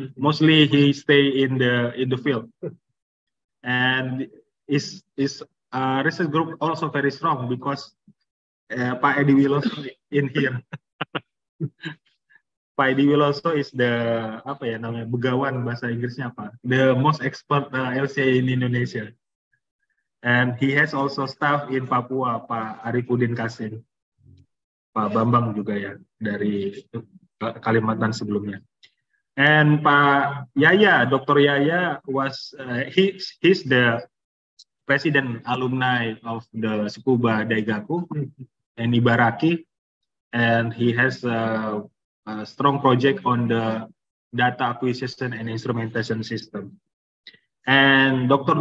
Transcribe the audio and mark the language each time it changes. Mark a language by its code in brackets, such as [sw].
[en] Mostly he stay in the field. And his research group also very strong because Pak Edi Wiloso in here. [id] Pak Edi Wiloso [en] is the [id] apa ya namanya begawan bahasa Inggrisnya apa? [en] The most expert LCA in Indonesia. And he has also staff in Papua, Pak Arifuddin Kasim. [id] Pak Bambang juga ya dari Kalimantan sebelumnya. [en] And Pak Yaya, Dr. Yaya was he's the president alumni of the Tsukuba Daigaku in Ibaraki. And he has a strong project on the data acquisition and instrumentation system. And Dr.